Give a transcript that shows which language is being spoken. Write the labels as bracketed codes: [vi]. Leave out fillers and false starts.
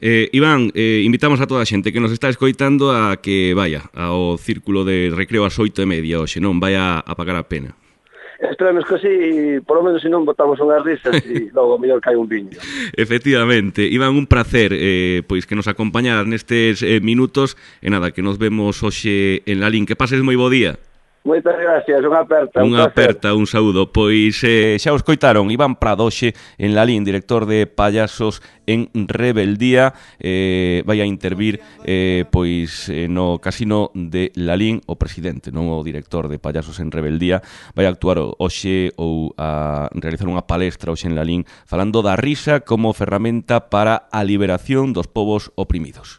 [gl] Iván, invitamos a toda a xente que nos está escoitando a que vaya ao círculo de recreo ás 8:30 hoxe, non vai a pagar a pena. [es] Esperemos que sí, por lo menos si no botamos unas risas y luego mejor cae un viño. Efectivamente, Iván, un placer pues que nos acompañaras en estos minutos. Y nada, que nos vemos hoxe en la link. Que pases muy buen día. [gl] Moitas gracias, unha aperta. Unha aperta, un saúdo. Pois xa os coitaron, Iván Prado xe en Lalín, director de Payasos en Rebeldía, vai a intervir no casino de Lalín, o presidente, non o director de Payasos en Rebeldía, vai a actuar hoxe ou a realizar unha palestra hoxe en Lalín, falando da risa como ferramenta para a liberación dos povos oprimidos.